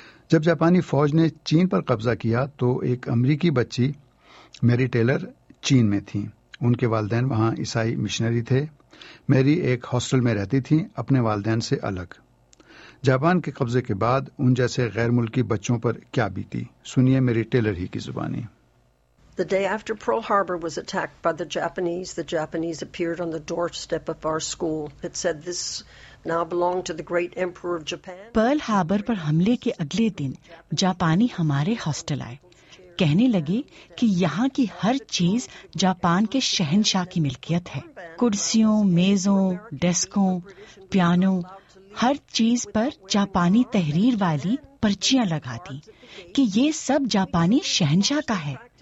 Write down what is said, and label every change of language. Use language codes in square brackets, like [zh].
[ur] جب جاپانی فوج نے چین پر قبضہ کیا تو ایک امریکی بچی میری ٹیلر چین میں تھی. ان کے والدین وہاں عیسائی مشنری تھے. میری ایک ہاسٹل میں رہتی تھی اپنے والدین سے الگ. جاپان کے قبضے کے بعد ان جیسے غیر ملکی بچوں پر کیا بیتی, سنیے میری ٹیلر ہی کی زبانی. [en] The day after Pearl Harbor was attacked by the Japanese appeared on the doorstep of our school. It said this now belonged to the great emperor of Japan. [ur] Pearl Harbor پر حملے کے اگلے دن جاپانی ہمارے hostel آئے. کہنے لگے کہ یہاں کی ہر چیز جاپان کے شہنشاہ کی ملکیت ہے. کرسیوں, میزوں, ڈیسکوں, پیانو, ہر چیز پر جاپانی تحریر والی پرچیاں لگا دی کہ یہ سب جاپانی شہنشاہ کا ہے.